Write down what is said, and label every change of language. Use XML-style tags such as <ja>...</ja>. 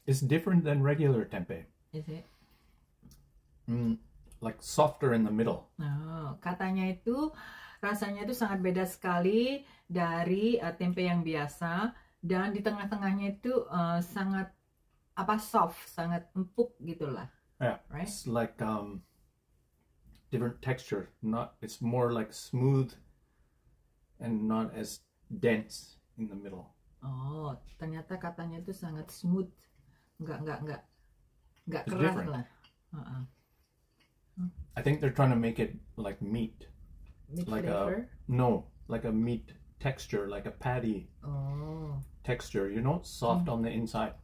<en>It's different than regular tempeh. Is it? Like softer in the middle.</en> <id>Oh, katanya itu rasanya itu sangat beda sekali dari tempe yang biasa dan di tengah-tengahnya itu sangat apa soft, sangat empuk gitulah.</id> <en>Yeah, right? It's like different texture. Not, it's more like smooth and not as dense in the middle.</en> <id>Oh, ternyata katanya itu sangat smooth, nggak</id> <en>it's</en> <id>keras</id> <en>different. Lah. I think they're trying to make it like meat, meat like flavor? A no, like a meat texture, like a patty oh. texture. You know, soft on the inside.</en>